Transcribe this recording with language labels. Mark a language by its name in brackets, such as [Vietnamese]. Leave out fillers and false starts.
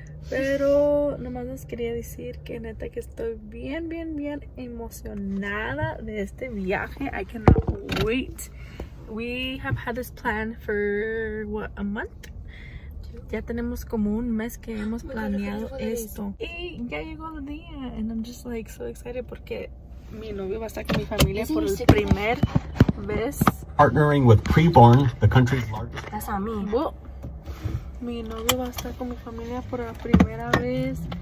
[Spanish] Pero nomás les quería decir que neta que estoy bien emocionada de este viaje. [English] I cannot wait. We have had this plan for what, a month? [Spanish] Ya tenemos como un mes que hemos planeado esto. Y ya llegó el día. [English] And I'm just like so excited [Spanish] porque mi novio va a estar con mi familia por el primer vez. [English] Partnering with Preborn, the country's largest. That's on me. [Spanish] Mi novio va a estar con mi familia por la primera vez.